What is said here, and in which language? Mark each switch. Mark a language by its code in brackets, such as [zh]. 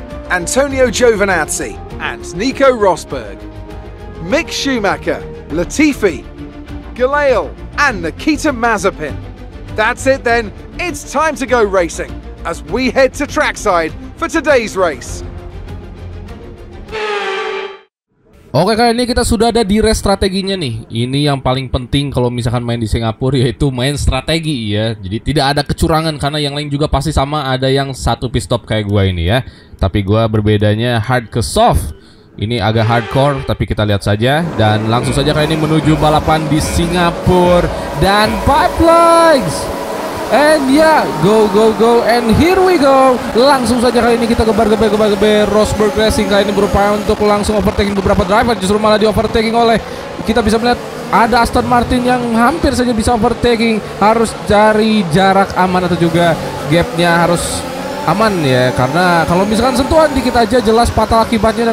[en] Antonio Giovinazzi and Nico Rosberg, Mick Schumacher, Latifi, Gilles, and Nikita Mazepin. That's it then, it's time to go racing as we head to trackside for today's race. [id] Oke, kali ini kita sudah ada di race strateginya nih. Ini yang paling penting kalau misalkan main di Singapura, yaitu main strategi ya. Jadi tidak ada kecurangan, karena yang lain juga pasti sama, ada yang satu pit stop kayak gue ini ya. Tapi gue berbedanya hard ke soft. Ini agak hardcore, tapi kita lihat saja. Dan langsung saja kali ini menuju balapan di Singapura. Dan pipelines. [en] And yeah, go go go and here we go. [id] Langsung saja kali ini kita gebar-gebar Rosberg Racing. Kali ini berupaya untuk langsung overtaking beberapa driver, justru malah di overtaking oleh, kita bisa melihat ada Aston Martin yang hampir saja bisa overtaking. Harus cari jarak aman atau juga gapnya harus aman ya, karena kalau misalkan sentuhan dikit aja jelas fatal akibatnya.